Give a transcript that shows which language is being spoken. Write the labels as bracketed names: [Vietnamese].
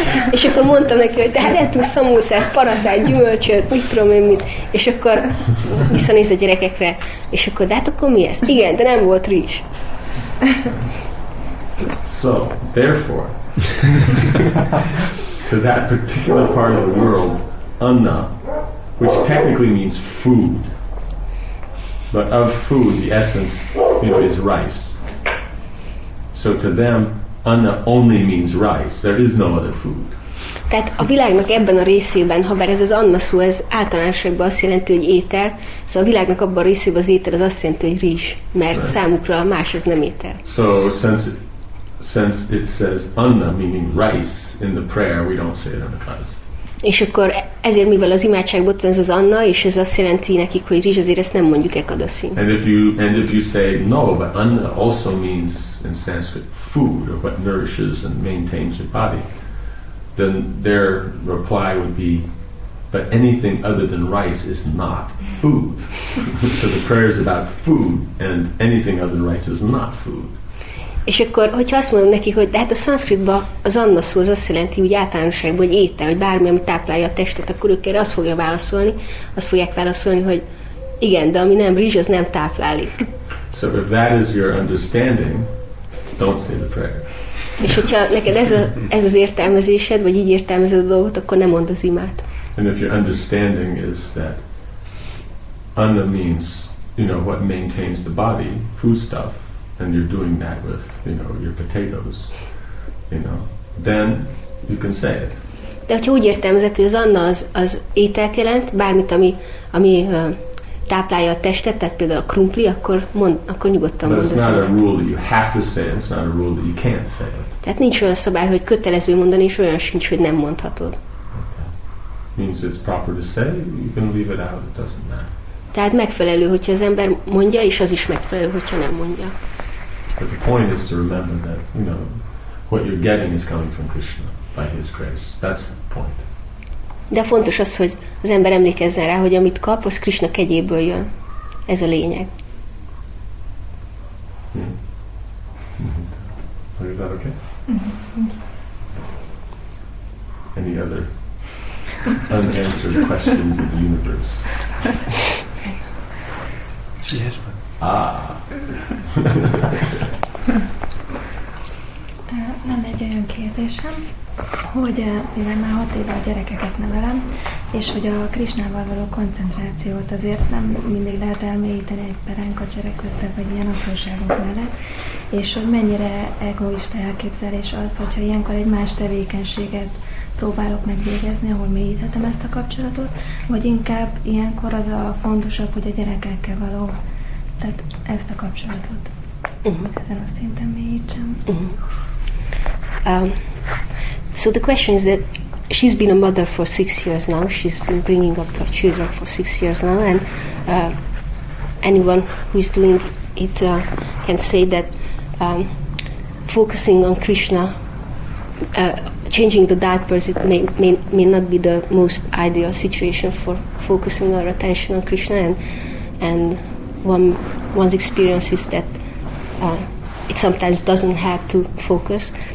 [Hungarian] és akkor mondtam neki, hogy tehát nem tudsz szamószát, paratát, gyümölcsöt, mit tudom én mit. És akkor visszanéz a gyerekekre, és akkor, de hát akkor mi ez? Igen, de nem volt rizs. [English] So, therefore, to that particular part of the world, anna, which technically means food, but of food, the essence, you know, is rice. So to them, anna only means rice. There is no other food. [Hungarian] Tehát a világnak ebben a részében, ha bár ez az anna szó, ez általánosságban azt jelenti, hogy étel, szóval a világnak abban a részében az étel, az azt jelenti, hogy rizs, mert [English] right. [Hungarian] Számukra más az nem étel. [English] So since it says anna, meaning rice, in the prayer, we don't say it in the class. [Hungarian] És akkor ezért, mivel az imádságban ott van az anna, és ez azt jelenti nekik, hogy rizs, azért ezt nem mondjuk ekadaszin. [English] And if you say no, but anna also means in Sanskrit food, or what nourishes and maintains your body, then their reply would be, but anything other than rice is not food. So the prayer is about food, and anything other than rice is not food. [Hungarian] És akkor, hogyha azt mondom neki, hogy de hát a szanszkritban az anna szó az azt jelenti úgy általánosságban, hogy étel, hogy bármi, ami táplálja a testet, akkor ők erre azt fogják válaszolni, hogy igen, de ami nem rizs, az nem táplálik. [English] So if that is your understanding, don't say the prayer. [Hungarian] És hogyha neked ez az értelmezésed, vagy így értelmezed a dolgot, akkor nem mondd az imát. [English] And if your understanding is that anna means, you know, what maintains the body, food stuff, and you're doing that with, you know, your potatoes, you know, then you can say it. [Hungarian] De hogyha úgy értelmezed, hogy az anna az ételt jelent, bármit, ami táplálja a testet, tehát például a krumpli, akkor nyugodtan mondasz. [English] But it's not a rule that you have to say, it's not a rule that you can't say it. [Hungarian] Tehát nincs olyan szabály, hogy kötelező mondani, és olyan sincs, hogy nem mondhatod. [English] Okay. Means it's proper to say, you can leave it out, it doesn't matter. [Hungarian] Tehát megfelelő, hogyha az ember mondja, és az is megfelelő, hogyha nem mondja. [English] But the point is to remember that, you know, what you're getting is coming from Krishna by His grace. That's the point. [Hungarian] De fontos az, hogy az ember emlékezzen rá, hogy amit kap, az Krishna kegyéből jön. Ez a lényeg. [English] Mm-hmm. Is that okay? Mm-hmm. Any other unanswered questions in the universe? [Hungarian] Nem egy olyan kérdésem, hogy mivel már 6 éve a gyerekeket nevelem, és hogy a Krisnával való koncentrációt azért nem mindig lehet elmélyíteni egy peránka cserekközben, vagy ilyen apróságok mellett, és hogy mennyire egoista elképzelés az, hogyha ilyenkor egy más tevékenységet próbálok megvégezni, ahol mélyíthetem ezt a kapcsolatot, vagy inkább ilyenkor az a fontosabb, hogy a gyerekekkel való, tehát ezt a kapcsolatot ezen a szinten mélyítsem. [English] So the question is that she's been a mother for 6 years now, she's been bringing up her children for 6 years now, and anyone who is doing it can say that focusing on Krishna, changing the diapers, it may not be the most ideal situation for focusing our attention on Krishna, and one's experience is that it sometimes doesn't help to focus.